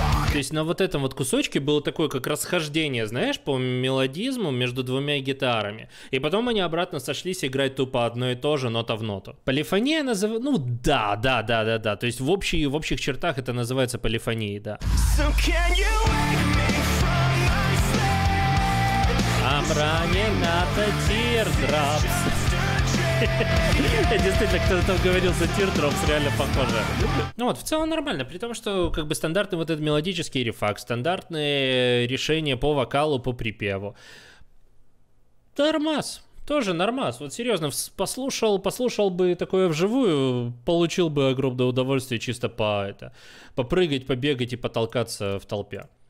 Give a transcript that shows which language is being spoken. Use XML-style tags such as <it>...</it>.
<ru>То есть на вот этом вот кусочке было такое как расхождение, знаешь, по мелодизму между двумя гитарами. И потом они обратно сошлись играть тупо одно и то же, нота в ноту. Полифония называется... Ну да. То есть в общих чертах это называется полифонией, да.</ru> <en>So can you wake me from my sleep? I'm running out of teardrops.</en> <ru>Я действительно, кто-то там говорил, за Teardrops реально похоже. Ну вот, в целом нормально, при том, что как бы стандартный вот этот мелодический рефак, стандартные решения по вокалу, по припеву. Нормас, тоже нормас. Вот серьезно, послушал бы такое вживую, получил бы огромное удовольствие чисто попрыгать, побегать и потолкаться в толпе.</ru>